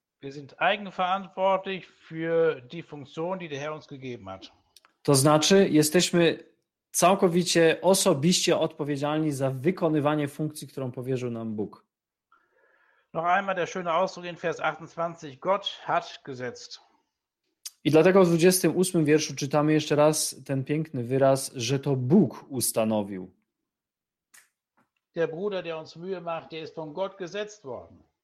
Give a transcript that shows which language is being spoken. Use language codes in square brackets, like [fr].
[de] Wir sind eigenverantwortlich für die Funktion, die der Herr uns gegeben hat. [pl] To znaczy, jesteśmy całkowicie osobiście odpowiedzialni za wykonywanie funkcji, którą powierzył nam Bóg. [de] Noch einmal der schöne Ausdruck in Vers 28. Gott hat gesetzt. [pl] I dlatego w 28. wierszu czytamy jeszcze raz ten piękny wyraz, że to Bóg ustanowił. [de] Der Bruder, der uns Mühe macht, der ist von Gott gesetzt worden.